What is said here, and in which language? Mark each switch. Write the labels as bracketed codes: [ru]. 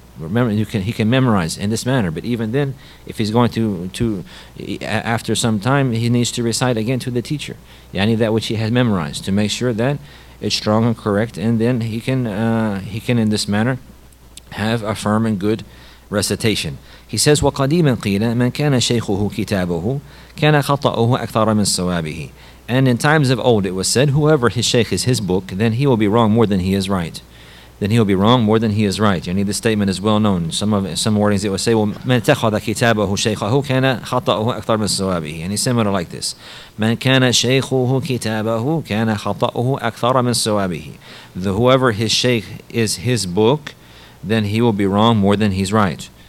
[en] Remember, he can memorize in this manner. But even then, if he's going to after some time, he needs to recite again to the teacher. Yani, that which he has memorized, to make sure that it's strong and correct, and then he can in this manner have a firm and good recitation. He says, [ar] وقديما قيل من كان شيخه كتابه كان خطأه أكثر من صوابه. [en] And in times of old it was said, whoever his sheikh is his book, then he will be wrong more than he is right. Yani, this statement is well known. Some wordings it will say, [ar] من تخذ كتابه شيخه كان خطأه أكثر من صوابه. [en] And it's similar like this. [ar] من كان شيخه كتابه كان خطأه أكثر من صوابه. [en] Whoever his sheikh is his book, then he will be wrong more than he's right.